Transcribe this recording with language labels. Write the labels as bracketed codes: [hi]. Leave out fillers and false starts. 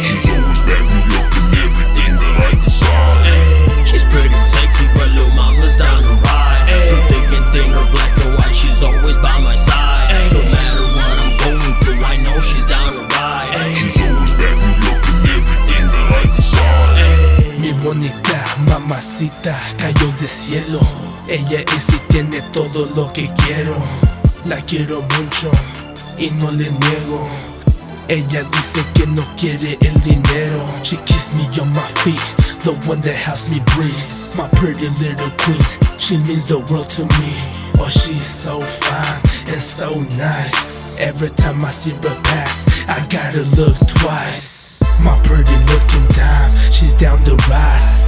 [en] She's always bad, we look at everything the light the sun. Ay. She's pretty sexy, but little mama's down the ride. Ay. Too thick and thin, or black or white, she's always by my side. Ay. No matter what I'm going through, I know she's down the ride. She's always bad, we look at everything the light the sun. [es] Mi bonita, mamacita, cayó de cielo. Ella es y tiene todo lo que quiero. La quiero mucho y no le niego. Ella dice que no quiere el dinero. [en] She kiss me on my feet, the one that helps me breathe. My pretty little queen, she means the world to me. Oh, she's so fine and so nice. Every time I see her pass, I gotta look twice. My pretty looking dime, she's down the ride.